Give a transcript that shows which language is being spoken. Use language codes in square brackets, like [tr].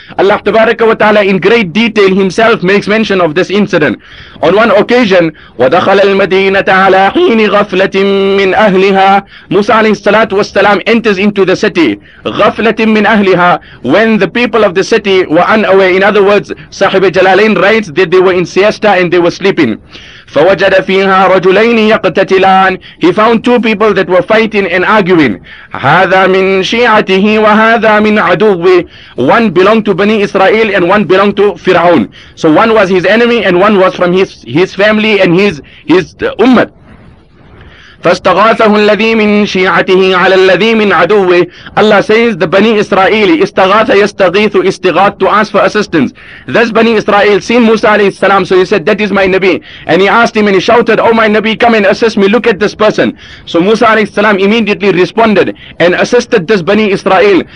[en] Allah tabaraka wa ta'ala in great detail himself makes mention of this incident. On one occasion, [ar] وَدَخَلَ الْمَدِينَةَ عَلَىٰ حِينِ غَفْلَةٍ مِّنْ أهلها. موسى عليه الصلاة والسلام [en] enters into the city. [ar] غفلة من أهلها. [en] When the people of the city were unaware. In other words, [ar] صاحب الجلالين [en] writes that they were in siesta and they were sleeping. [ar] فوجد فيها رجلين يقتتلان. [en] He found two people that were fighting and arguing. [ar] هذا من شيعته وهذا من عدوه. [en] One belonged to Bani Israel and one belonged to Fir'aun. So one was his enemy and one was from his family and his ummah. [ar] فاستغاثه الذي من شيعته على الذي من عدوه. [en] Allah says the Bani Israel [ar] استغاث يستغيث استغاث [en] to ask for assistance. This Bani Israel seen Musa alayhi salam, so he said that is my Nabi, and he asked him and he shouted, oh my Nabi, come and assist me, look at this person. So Musa alayhi salam immediately responded and assisted this Bani Israel.